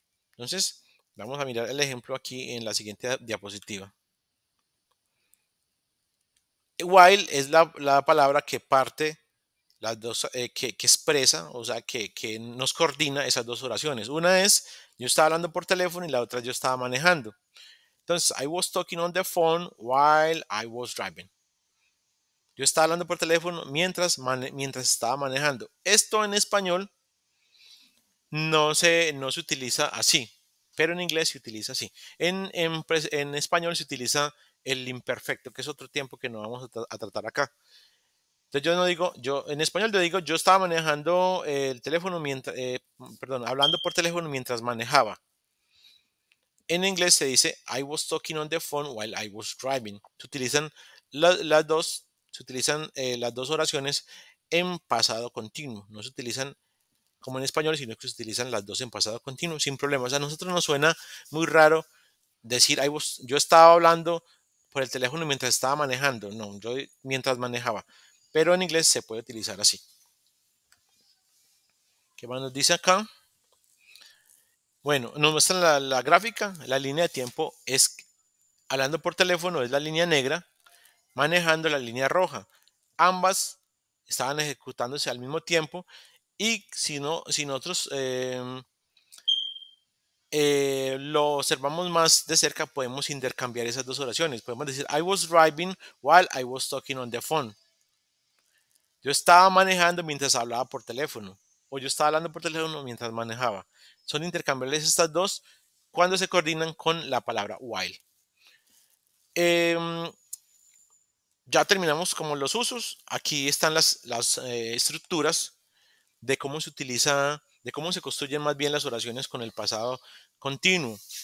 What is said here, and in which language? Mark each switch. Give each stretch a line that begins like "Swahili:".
Spanish: Entonces, vamos a mirar el ejemplo aquí en la siguiente diapositiva. While es la palabra que parte las dos, que expresa, o sea, que nos coordina esas dos oraciones. Una es, yo estaba hablando por teléfono y la otra yo estaba manejando. Entonces,
English: I was talking on the phone while I was driving.
Spanish: Yo estaba hablando por teléfono mientras estaba manejando. Esto en español No se utiliza así, pero en inglés se utiliza así. En español se utiliza el imperfecto, que es otro tiempo que no vamos a tratar acá. Entonces yo no digo, yo en español yo digo, yo estaba manejando el teléfono mientras, perdón, hablando por teléfono mientras manejaba. En inglés se dice,
English: I was talking on the phone while I was driving.
Spanish: Se utilizan las dos oraciones en pasado continuo. No se utilizan como en español, sino que se utilizan las dos en pasado continuo, sin problemas. A nosotros nos suena muy raro decir, yo estaba hablando por el teléfono mientras estaba manejando. No, yo mientras manejaba. Pero en inglés se puede utilizar así. ¿Qué más nos dice acá? Bueno, nos muestran la gráfica, la línea de tiempo es hablando por teléfono, es la línea negra, manejando la línea roja. Ambas estaban ejecutándose al mismo tiempo y si nosotros lo observamos más de cerca, podemos intercambiar esas dos oraciones. Podemos decir,
English: I was driving while I was talking on the phone.
Spanish: Yo estaba manejando mientras hablaba por teléfono. O yo estaba hablando por teléfono mientras manejaba. Son intercambiables estas dos cuando se coordinan con la palabra while. Ya terminamos como los usos. Aquí están las estructuras de cómo se utiliza, de cómo se construyen más bien las oraciones con el pasado continuo.